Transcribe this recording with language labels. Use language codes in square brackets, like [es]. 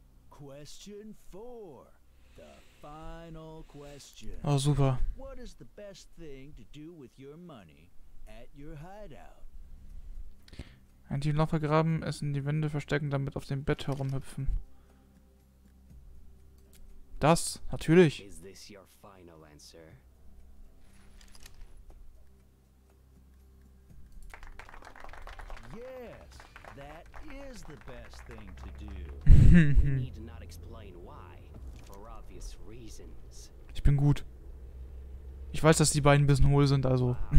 [en] Question four. The final question. Oh, super. What is the best thing to do with your money at your hideout? [de] Ein tiefen Loch vergraben, es in die Wände verstecken, damit auf dem Bett herumhüpfen. Das, natürlich. [en] Is this your final answer? Yes, that is the best thing to do. We need to not explain why, for obvious reasons. [de] Ich bin gut. Ich weiß, dass die beiden ein bisschen hohl sind, also.